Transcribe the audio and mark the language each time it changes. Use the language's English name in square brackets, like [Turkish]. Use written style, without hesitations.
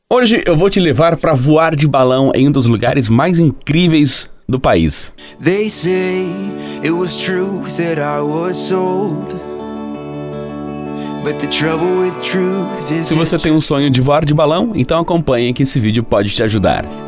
[Portuguese] Hoje eu vou te levar para voar de balão em um dos lugares mais incríveis do país. [English] They say it was true that I was sold. But the trouble with truth is. [Portuguese] Se você tem um sonho de voar de balão, então acompanhe que esse vídeo pode te ajudar.